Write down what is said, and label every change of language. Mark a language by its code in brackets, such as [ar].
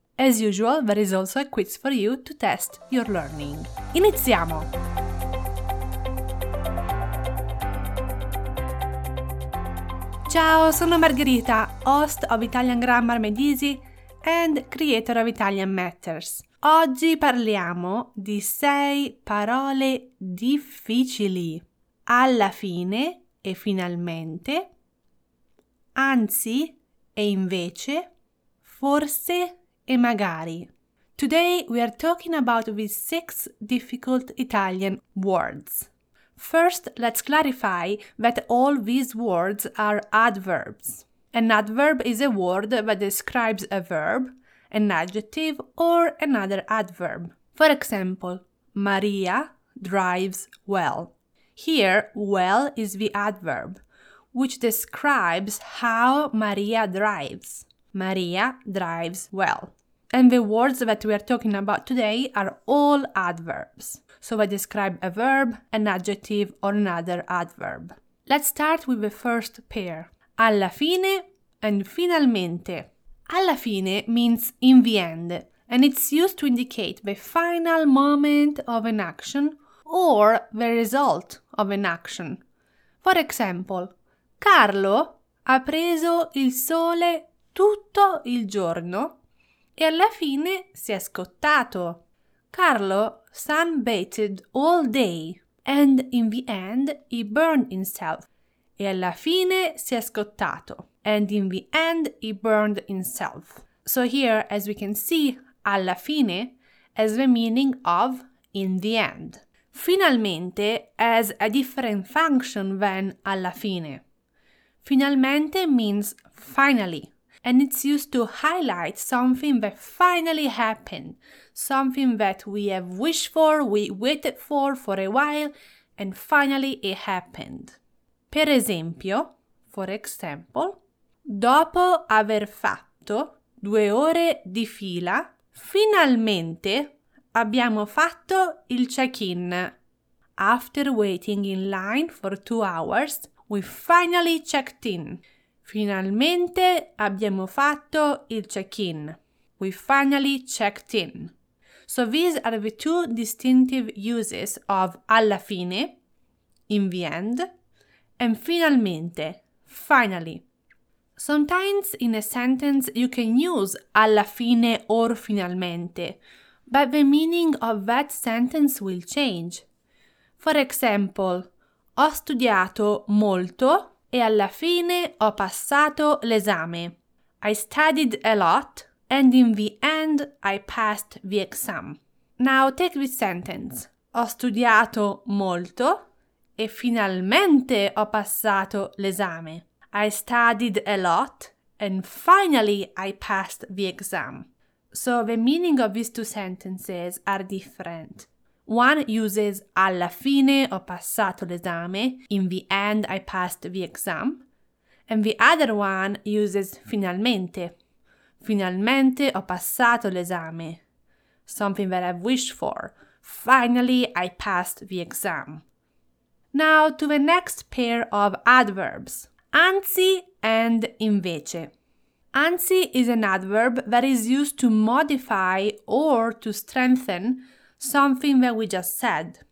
[en] As usual, there is also a quiz for you to test your learning. [it] Iniziamo! Ciao, sono [en] Margherita, host of Italian Grammar Made Easy and creator of Italian Matters. [it] Oggi parliamo di sei parole difficili. Alla fine e finalmente, anzi e invece, forse e magari. [en] Today we are talking about these six difficult Italian words. First, let's clarify that all these words are adverbs. An adverb is a word that describes a verb, an adjective, or another adverb. For example, Maria drives well. Here, well is the adverb, which describes how Maria drives. Maria drives well. And the words that we are talking about today are all adverbs. So they describe a verb, an adjective, or another adverb. Let's start with the first pair. Alla fine and finalmente. Alla fine means in the end, and it's used to indicate the final moment of an action or the result of an action. For example, [it] Carlo ha preso il sole tutto il giorno e alla fine si è scottato. [en] Carlo sunbathed all day and in the end he burned himself. [it] E alla fine si è scottato. [en] And in the end, he burned himself. So here, as we can see, alla fine has the meaning of in the end. Finalmente has a different function than alla fine. Finalmente means finally, and it's used to highlight something that finally happened, something that we have wished for, we waited for a while, and finally it happened. [it] Per esempio, [en] for example, [it] dopo aver fatto 2 ore di fila, finalmente abbiamo fatto il check-in. [en] After waiting in line for 2 hours, we finally checked in. [it] Finalmente abbiamo fatto il check-in. [en] We finally checked in. So these are the two distinctive uses of alla fine, in the end, and finalmente, finally. Sometimes in a sentence you can use alla fine or finalmente, but the meaning of that sentence will change. For example, [it] ho studiato molto e alla fine ho passato l'esame. [en] I studied a lot and in the end I passed the exam. Now take this sentence. [it] Ho studiato molto e finalmente ho passato l'esame. [en] I studied a lot and finally I passed the exam. So the meaning of these two sentences are different. One uses [it] alla fine ho passato l'esame, [en] in the end I passed the exam. And the other one uses finalmente. [it] Finalmente ho passato l'esame. [en] Something that I've wished for. Finally I passed the exam. Now to the next pair of adverbs. Anzi and invece. Anzi is an adverb that is used to modify or to strengthen something that we just said.